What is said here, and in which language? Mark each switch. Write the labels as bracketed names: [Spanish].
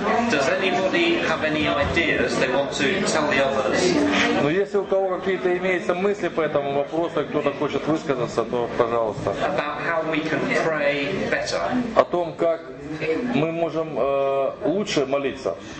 [English] Does anybody have any ideas they want to tell the others? [Russian] Ну если у кого какие-то имеются мысли по этому вопросу, кто-то хочет высказаться, то пожалуйста. [English] About how we can pray better. [Russian] О том, как мы можем лучше молиться.